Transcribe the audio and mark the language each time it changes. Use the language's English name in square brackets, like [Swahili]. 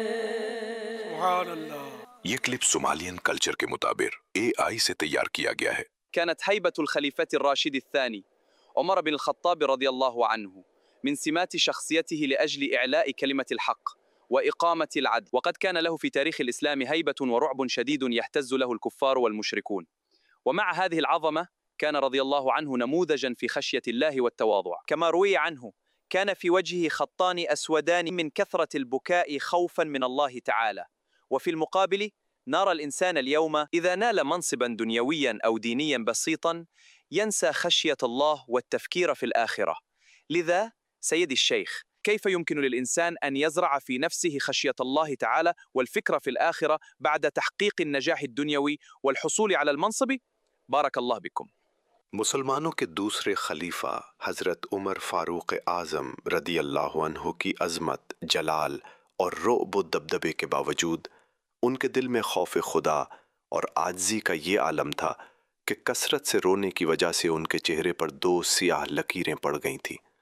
[Urdu] یہ clip سومالین culture کے مطابق اے آئی سے تیار کیا گیا ہے. [Arabic] كانت هيبة الخليفة الراشد الثاني عمر بن الخطاب رضي الله عنه من سمات شخصيته لأجل إعلاء كلمة الحق وإقامة العدل، وقد كان له في تاريخ الإسلام هيبة ورعب شديد يهتز له الكفار والمشركون. ومع هذه العظمة كان رضي الله عنه نموذجا في خشية الله والتواضع، كما روي عنه كان في وجهه خطان أسودان من كثرة البكاء خوفا من الله تعالى. وفي المقابل نرى الإنسان اليوم إذا نال منصباً دنيوياً أو دينياً بسيطاً ينسى خشية الله والتفكير في الآخرة. لذا سيدي الشيخ، كيف يمكن للإنسان أن يزرع في نفسه خشية الله تعالى والفكرة في الآخرة بعد تحقيق النجاح الدنيوي والحصول على المنصب؟ بارك الله بكم. [Urdu] مسلمانوں کے دوسرے خلیفہ حضرت عمر فاروق اعظم رضی اللہ عنہ کی عظمت، جلال اور رعب و دبدبے کے باوجود ان کے دل میں خوف خدا اور عاجزی کا یہ عالم تھا کہ کثرت سے رونے کی وجہ سے ان کے چہرے پر دو سیاہ لکیریں پڑ گئی تھیں.